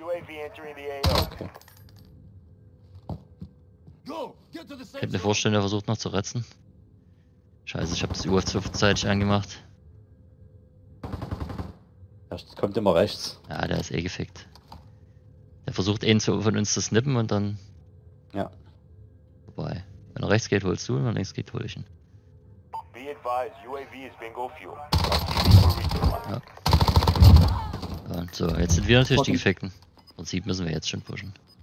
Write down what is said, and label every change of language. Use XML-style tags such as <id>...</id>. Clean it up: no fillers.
<de>Okay. Ich hab mir vorstellen, der versucht noch zu retzen. Scheiße, ich hab das UAV zu zeitig angemacht. Erst kommt immer rechts. Ja, der ist eh gefickt. Der versucht einen von uns zu snippen und dann. Ja. Wobei. Wenn er rechts geht, holst du ihn, wenn er links geht, hol ich ihn.</de> <en>Be advised, UAV is bingo fuel.</en> <de>Ja. Und so, jetzt sind wir natürlich die Gefickten. Im Prinzip müssen wir jetzt schon pushen.</de>